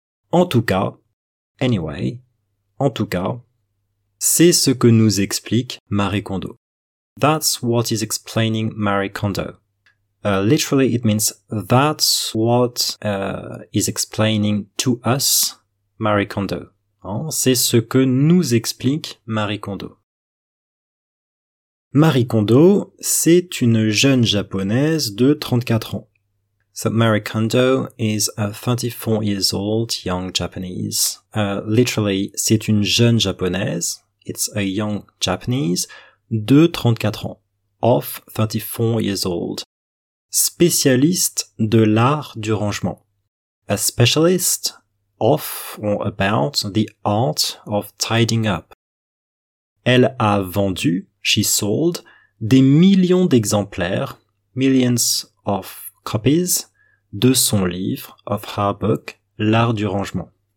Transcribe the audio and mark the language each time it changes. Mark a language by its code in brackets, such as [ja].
[fr] En tout cas, anyway, en tout cas, c'est ce que nous explique Marie Kondo. [en] That's what is explaining Marie Kondo. Literally, it means that's what is explaining to us Marie Kondo. Hein? [fr] C'est ce que nous explique Marie Kondo. Marie Kondo, c'est une jeune japonaise de 34 ans. [en] So Marie Kondo is a 34 years old young Japanese. [fr] Literally, c'est une jeune japonaise. [en] It's a young Japanese [fr] de 34 ans. [en] Of 34 years old. [fr] Spécialiste de l'art du rangement. [en] A specialist of or about the art of tidying up. [fr] Elle a vendu, [en] she sold, [fr] des millions d'exemplaires, [en] millions of copies, [fr] de son livre, [en] of her book, [fr] L'art du rangement.